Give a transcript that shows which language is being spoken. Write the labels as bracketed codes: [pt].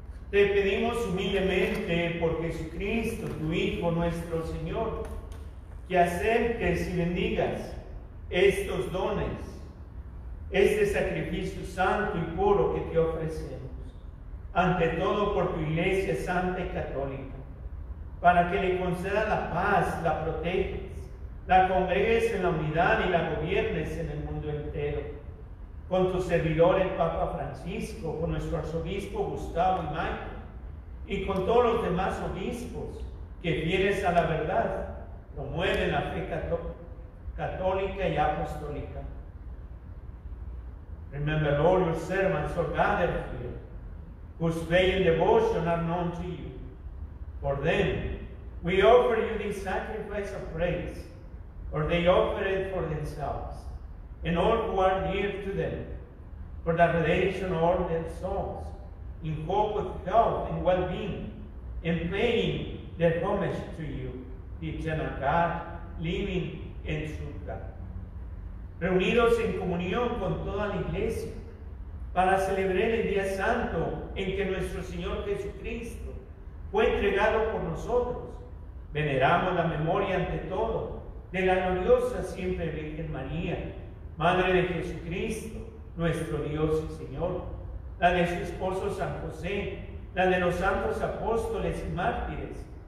[es] Te pedimos humildemente por Jesucristo, tu Hijo, nuestro Señor, que aceptes y bendigas estos dones, este sacrificio santo y puro que te ofrecemos, ante todo por tu Iglesia Santa y Católica, para que le conceda la paz, la protejas, la congregues en la unidad y la gobiernes en el mundo entero. Con tu servidor el Papa Francisco, con nuestro arzobispo Gustavo y Michael, y con todos los demás obispos que fieles a la verdad promueven la fe católica y apostólica. [en] Remember all your servants or gathered here, whose faith and devotion are known to you. For them, we offer you this sacrifice of praise, or they offer it for themselves, and all who are near to them, for the redemption of all their souls, in hope of health and well-being, and paying their homage to you, the eternal God, living and true God. [es] Reunidos en comunión con toda la Iglesia, para celebrar el día santo en que nuestro Señor Jesucristo fue entregado por nosotros, veneramos la memoria ante todo de la gloriosa siempre Virgen María, Madre de Jesucristo, nuestro Dios y Señor, la de su esposo San José, la de los santos apóstoles y mártires,